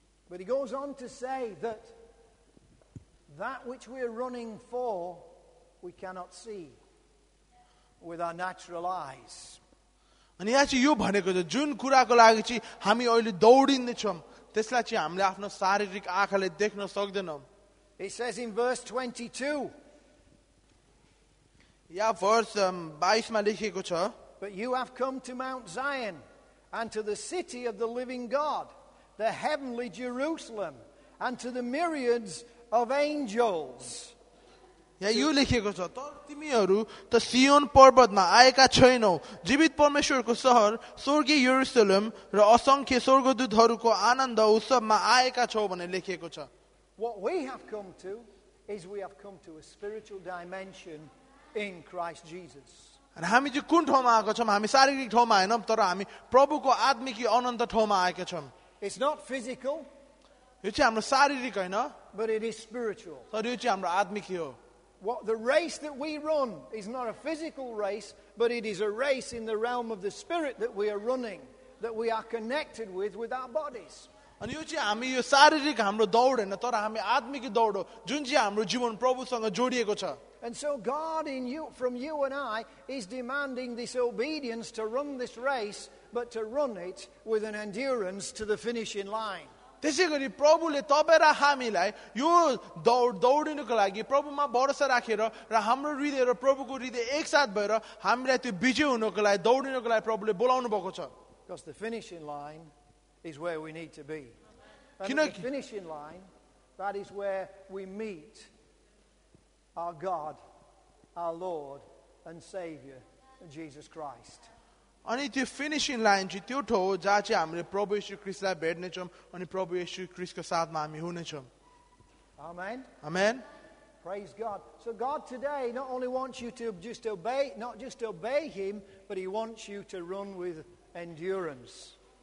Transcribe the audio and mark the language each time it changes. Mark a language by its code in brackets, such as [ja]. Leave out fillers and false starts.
[en] But he goes on to say that which we are running for we cannot see with our natural eyes. [ne] अनि यहाँ चाहिँ यो भनेको छ जुन कुराको लागि चाहिँ हामी अहिले दौडिँदैछौँ त्यसलाई चाहिँ हामीले आफ्नो शारीरिक आँखाले देख्न सक्दैनौँ. [en] It says in verse 22. [ne] Yeah worse 22 मा लेखिएको छ. [en] But you have come to Mount Zion and to the city of the living God, the heavenly Jerusalem, and to the myriads of angels. [ne] यहाँ यो लेखिएको छ तिमीहरू त सियोन पर्वतमा आएका छैनौ जीवित परमेश्वरको सहर स्वर्गीय यरुशलेम र असंख्य स्वर्गदूतहरूको आनन्द उत्सवमा आएका छौ भनेर लेखिएको छ. [en] What we have come to is we have come to a spiritual dimension in Christ Jesus. [ne] हामी चाहिँ कुन ठाउँमा आएको छौँ हामी शारीरिक ठाउँमा आएनौँ तर हामी प्रभुको आत्मिक अनन्त ठाउँमा आएका छौँ. [en] It's not physical. [ne] यो चाहिँ हाम्रो शारीरिक होइन [en] but it is spiritual. [ne] तर यो चाहिँ हाम्रो आत्मिक हो. [en] What the race that we run is not a physical race, but it is a race in the realm of the spirit that we are running, that we are connected with our bodies. [ne] अनि यो चाहिँ हामी यो शारीरिक हाम्रो दौड होइन तर हामी आत्मिक दौड हो जुन चाहिँ हाम्रो जीवन प्रभुसँग जोडिएको छ. [en] And so God in you, from you and I, is demanding this obedience to run this race, but to run it with an endurance to the finishing line. [ne] त्यसै गरी प्रभुले तपाईँ र हामीलाई यो दौड दौडिनुको लागि प्रभुमा भरोसा राखेर र हाम्रो हृदय र प्रभुको हृदय एकसाथ भएर हामीलाई त्यो विजय हुनको लागि दौडिनको लागि प्रभुले बोलाउनु भएको छ. [en] Because the finishing line is where we need to be. The finishing line, that is where we meet our God, our Lord and Savior, Jesus Christ. [ne] अनि त्यो फिनिसिङ लाइन चाहिँ त्यो ठाउँ हो जहाँ चाहिँ हामीले प्रभु येशू ख्रीष्टलाई भेट्नेछौँ अनि प्रभु येशू ख्रीष्टको साथमा हामी हुनेछौँ. [en] Amen. Amen. Praise God. So God today not only wants you to just obey, not just obey him, but he wants you to run with endurance.